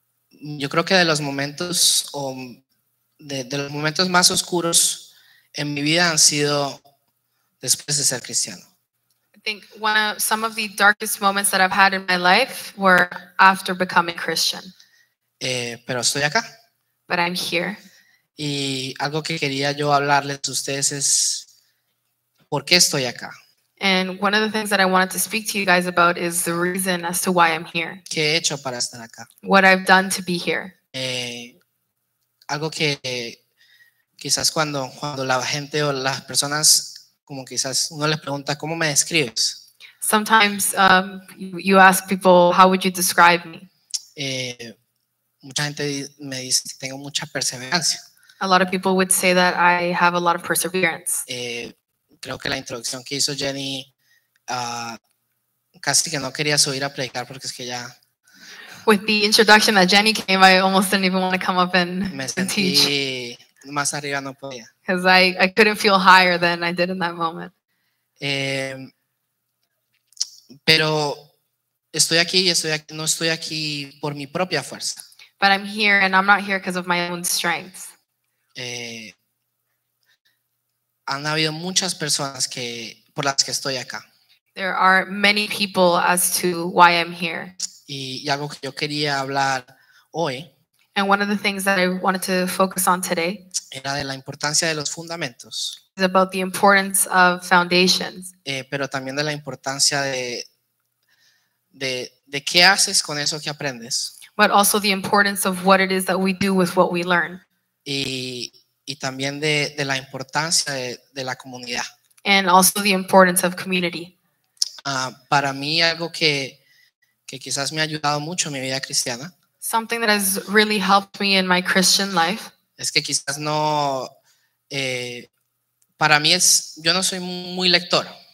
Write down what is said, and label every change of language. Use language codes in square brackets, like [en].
[es] Yo creo que de los momentos o de los momentos más oscuros en mi vida han sido después de ser cristiano. [en] I think some of the darkest moments that I've had in my life were after becoming Christian. [es] Pero estoy acá. [en] But I'm here. [es] Y algo que quería yo hablarles a ustedes es por qué estoy acá. [en] And one of the things that I wanted to speak to you guys about is the reason as to why I'm here. [es] ¿Qué he hecho para estar acá? [en] What I've done to be here. [es] Algo que quizás cuando la gente o las personas, como quizás uno les pregunta, ¿cómo me describes? [en] Sometimes you ask people, how would you describe me? [es] Mucha gente me dice que tengo mucha perseverancia. [en] A lot of people would say that I have a lot of perseverance. [es] Creo que la introducción que hizo Jenny, casi que no quería subir a predicar porque es que ya... [en] With the introduction that Jenny came, I almost didn't even want to come up and teach. [es] Me sentí más arriba, no podía. [en] Because I couldn't feel higher than I did in that moment. [es] Pero estoy aquí y estoy aquí, no estoy aquí por mi propia fuerza. [en] But I'm here and I'm not here because of my own strength. [es] Han habido muchas personas que por las que estoy acá. [en] There are many people as to why I'm here. [es] Y algo que yo quería hablar hoy. [en] And one of the things that I wanted to focus on today. [es] Era de la importancia de los fundamentos. [en] Is about the importance of foundations. [es] Pero también de la importancia de qué haces con eso que aprendes. [en] But also the importance of what it is that we do with what we learn. [es] Y también de la importancia de la comunidad. [en] And also the importance of community. [es] Para mí algo que quizás me ha ayudado mucho en mi vida cristiana. [en] Something that has really helped me in my Christian life. [es] Es que quizás no, para mí es, yo no soy muy lector.